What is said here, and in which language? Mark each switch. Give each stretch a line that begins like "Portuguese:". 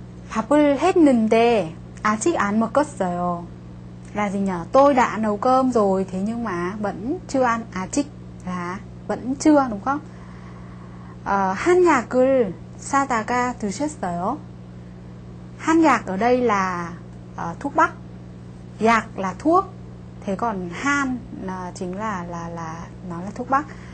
Korean: 밥을 했는데 아직 안 먹었어요.
Vietnamese: Là gì nhỉ? Tôi đã nấu cơm rồi thế nhưng mà vẫn chưa ăn. 아직 là vẫn chưa đúng không?
Korean: 한약을 사다가 드셨어요.
Vietnamese: 한약 ở đây là thuốc bắc. 약 là thuốc. Thế còn 한 chính là nó là thuốc bắc.